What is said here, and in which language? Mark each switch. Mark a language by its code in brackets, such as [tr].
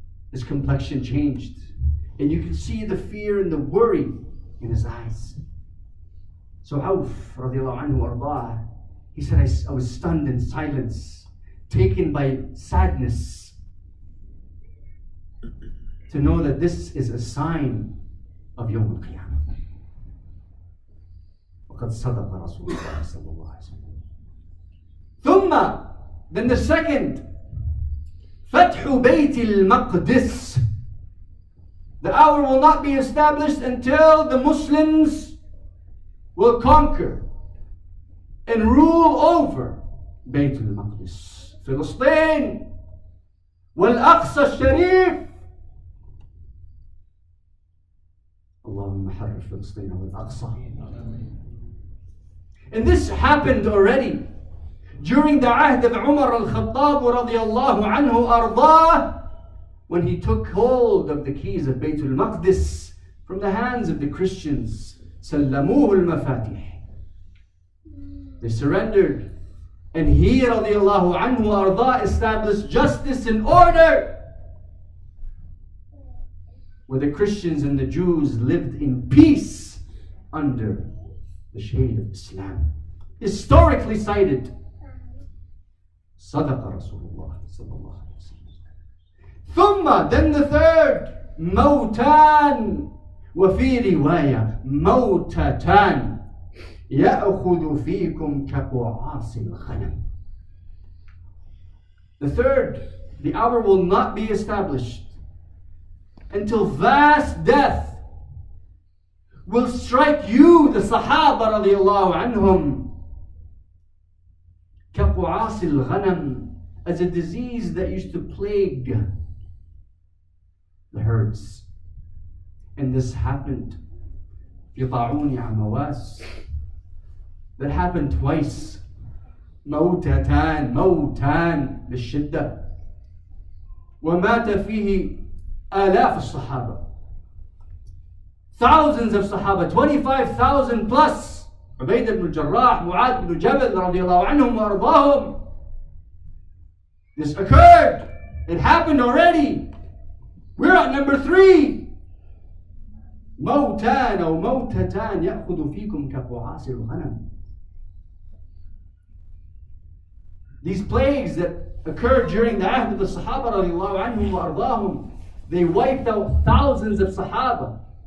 [en] His complexion changed. And you can see the fear and the worry in his eyes. So Awf radiallahu anhu arda'ah, he said, I was stunned in silence, taken by sadness, to know that this is a sign of يوم القيامة. [ar] وقد صدق رسول الله صلى الله عليه وسلم. ثم, [en] then the second, [ar] فتح بيت المقدس. [en] The hour will not be established until the Muslims will conquer and rule over [ar] بيت المقدس, فلسطين, والأقصى الشريف. اللهم حرر فلسطين والأقصى. [en] And this happened already during the Ahd of Umar al-Khattab [ar] رضي الله عنه أرضاه, [en] when he took hold of the keys of Baytul Maqdis from the hands of the Christians, [ar] سَلَّمُوهُ الْمَفَاتِحِ. [en] They surrendered. And he, radiallahu anhu, arda, established justice and order where the Christians and the Jews lived in peace under the shade of Islam. Historically cited. [ar] صدق رسول الله صلى الله عليه وسلم. [en] ثم, then the third, موتان. [ar] وفي رواية موتتان يأخذ فيكم كقعاص الغنم. [en] The third, the hour will not be established until vast death will strike you, the Sahaba radiallahu anhum, [ar] كقعاص الغنم, [en] as a disease that used to plague the herds. And this happened, [ar] يطاعوني عمواس, [en] that happened twice, [ar] موتتان, موتان, بالشدة, ومات فيه آلاف الصحابة, [en] thousands of [ar] صحابة, 25,000 plus, عبيد بن الجراح, معاذ بن جبل, رضي الله عنهم وأرضاهم. [en] This occurred, it happened already, we're at number three. [ar] موتان أو موتتان يأخذ فيكم كقعاص الغنم. [en] These plagues that occurred during the Ahd of the Sahaba radiallahu anhum wa ardahum, they wiped out thousands of Sahaba.